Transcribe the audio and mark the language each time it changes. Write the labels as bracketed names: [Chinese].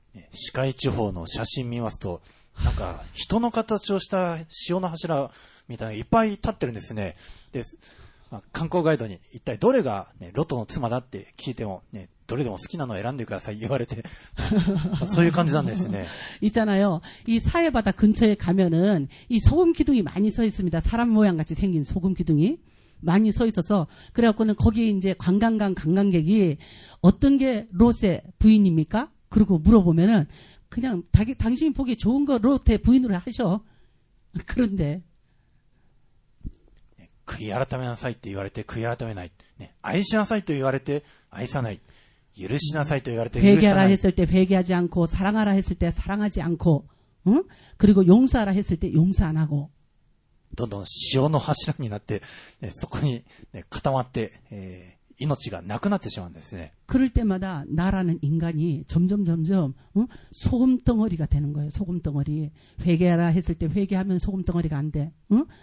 [Japanese] 四海地方の写真見ますと、なんか人の形をした塩の柱みたいないっぱい立ってるんですね。で、観光ガイドに一体どれが、ね、ロトの妻だって聞いても、ね、どれでも好きなのを選んでください言われて、そういう感じなんですね。 [Korean] 있잖아요。 이사해바다근처에가면은、이소금기둥이많이서있습니다。 사람모양같이생긴소금기둥이많이서있어서、그래갖고는거기이제관광객이어떤게로세부인입니까그리고물어보면은、그냥당신이보기에좋은거로세부인으로하셔。 그런데。 [Japanese] 悔い改めなさいって言われて悔い改めない。ね、愛しなさいと言われて愛さない。許しなさいと言われて許さない。 [Korean] 회개하라했을때회개하지않고、사랑하라했을때사랑하지않고、응？ 그리고용서하라했을때용서안하고。 [Japanese] どんどん塩の柱になって、ね、そこに、ね、固まって、命がなくなってしまうんですね。 [Korean] 그럴때마다나라는인간이점점、응？ 소금덩어리가되는거예요。소금덩어리。 회개하라했을때회개하면소금덩어리가안돼。 응？